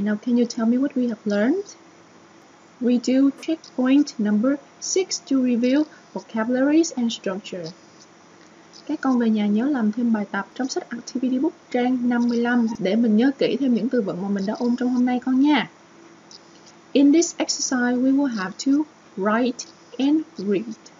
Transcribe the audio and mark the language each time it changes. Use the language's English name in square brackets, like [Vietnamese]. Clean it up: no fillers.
[English] Now can you tell me what we have learned? We do checkpoint number 6 to review vocabularies and structure. [Vietnamese] Các con về nhà nhớ làm thêm bài tập trong sách Activity Book trang 55 để mình nhớ kỹ thêm những từ vựng mà mình đã ôn trong hôm nay con nha. [English] In this exercise, we will have to write and read.